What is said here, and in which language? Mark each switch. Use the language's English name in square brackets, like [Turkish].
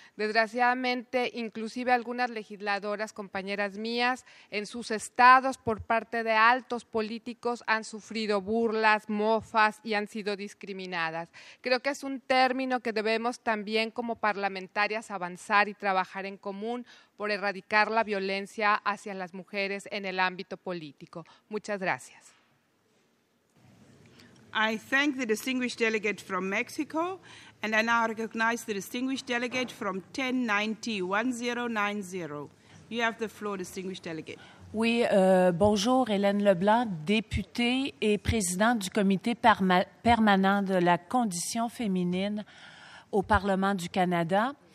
[Spanish] Desgraciadamente, inclusive algunas legisladoras, compañeras mías, en sus estados por parte de altos políticos han sufrido burlas, mofas y han sido discriminadas. Creo que es un término que debemos también como parlamentarias avanzar y trabajar en común por erradicar la violencia hacia las mujeres en el ámbito político. Muchas gracias. [English] I thank the distinguished delegate from Mexico, and I now recognize the distinguished delegate from 1090-1090. You have the floor, distinguished delegate. [French] Oui, bonjour, Hélène Leblanc, députée et présidente du comité permanent de la condition féminine au Parlement du Canada.